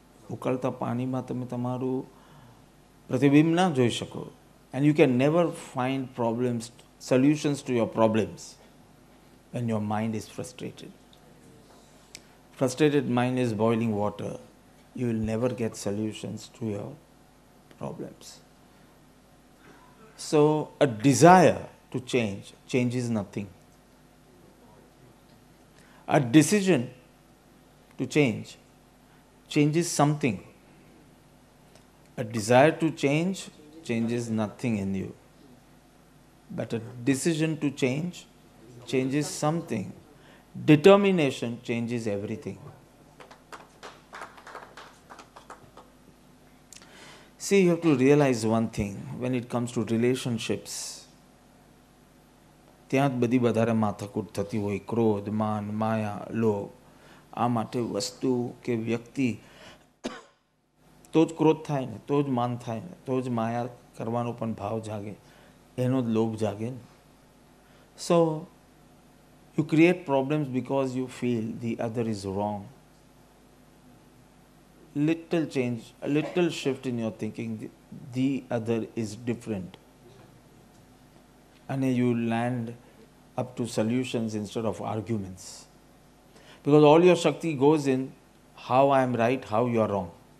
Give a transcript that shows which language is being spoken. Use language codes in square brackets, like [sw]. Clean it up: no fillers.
[gu] ઉકળતા પાણીમાં તમે તમારું પ્રતિબિંબ ના જોઈ શકો. [en] And you can never find problems solutions to your problems when your mind is frustrated. Frustrated mind is boiling water. You will never get solutions to your problems. So a desire to change changes nothing. A decision to change changes something. A desire to change changes nothing in you. But a decision to change changes something. Determination changes everything. See, you have to realize one thing when it comes to relationships. [gu] ત્યાં જ બધી વધારે માથાકૂટ થતી હોય, ક્રોધ, માન, માયા, લોભ. આ માટે વસ્તુ કે વ્યક્તિ તો જ ક્રોધ થાય ને, તો જ માન થાય ને, તો જ માયા કરવાનો પણ ભાવ જાગે, એનો જ લોભ જાગે ને. [en] So you create problems because you feel the other is wrong. Little change, a little shift in your thinking, the other is different. And you land up to solutions instead of arguments. Because all your shakti goes in how I am right, how you are wrong.